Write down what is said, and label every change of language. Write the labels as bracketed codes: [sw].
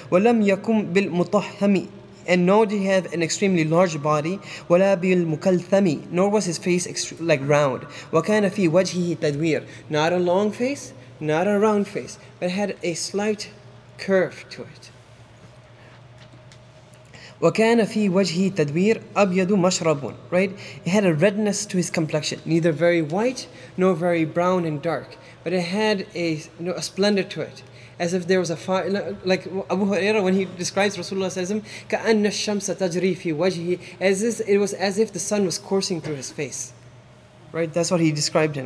[ar] وَلَمْ يَكُنْ بِالْمُطَحَّمِ, [en] and nor did he have an extremely large body. [ar] وَلَا بِالْمُكَلْثَمِ, [en] nor was his face like round. [ar] وَكَانَ فِي وَجْهِهِ تَدْوِيرٌ, [en] not a long face, not a round face, but had a slight curve to it. [ar] وَكَانَ فِي وَجْهِهِ تَدْوِيرٌ أَبْيَدُ مَشْرَبٌ, right? [en] He had a redness to his complexion, neither very white nor very brown and dark, but it had a, you know, a splendor to it. As if there was a fire, like Abu Huraira, when he describes Rasulullah says him, [ar] كَأَنَّ الشَّمْسَ تَجْرِي فِي وَجْهِهِ, [en] as if it was as if the sun was coursing through his face. Right? That's what he described him.